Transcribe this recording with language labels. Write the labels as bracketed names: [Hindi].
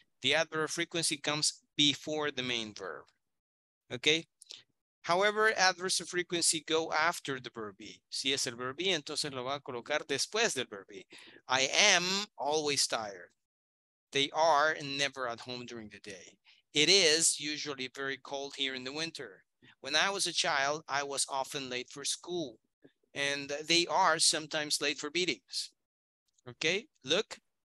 [English] The adverb of frequency comes before the main verb, okay? However, adverbs of frequency go after the verb be. [Spanish] Si es el verb be, entonces lo va a colocar después del verb be. [English] I am always tired. They are never at home during the day. It is usually very cold here in the winter. When I was a child, I was often late for school. And they are sometimes late for meetings. Okay, look.